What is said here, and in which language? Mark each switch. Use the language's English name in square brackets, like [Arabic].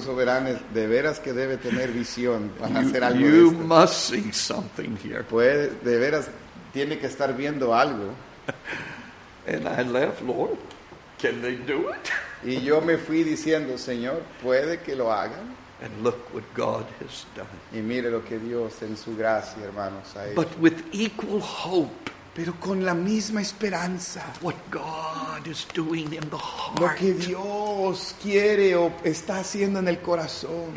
[Spanish] Soberanes, de veras que debe tener visión para hacer algo. [English] You must see something here. [Spanish] Pues, de veras, tiene que estar viendo algo. [English] And I left, Lord, can they do it? [Spanish] Y yo me fui diciendo, Señor, ¿puede que lo hagan? [English] And look what God has done. [Spanish] Y mire lo que Dios en su gracia, hermanos, ha hecho. [English] But with equal hope. [Spanish] Pero con la misma esperanza. [English] What God is doing in the heart. [Spanish] Lo que Dios quiere o está haciendo en el corazón.